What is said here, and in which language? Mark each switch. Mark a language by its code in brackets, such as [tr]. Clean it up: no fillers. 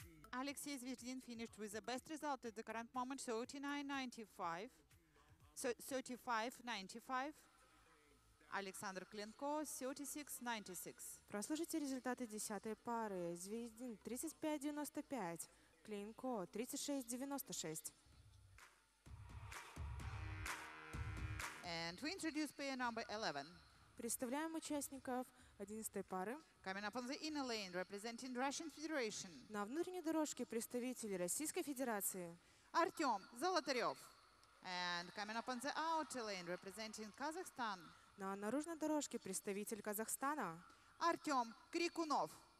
[en] Alexey Zvezdin finished with the best result at the current moment, 35-95. [ru] Александр Клинко, 36-96. Прослушайте результаты десятой пары. Звездин 35-95. Клинко 36-96. [en] And we introduce pair number 11. [ru] Представляем участников 11-й пары. [en] Coming up on the inner lane, representing Russian Federation. [ru] На внутренней дорожке представитель Российской Федерации. [en] Артём Золотарёв. And coming up on the outer lane, representing Kazakhstan. [ru] На наружной дорожке представитель Казахстана. Артём Крикунов.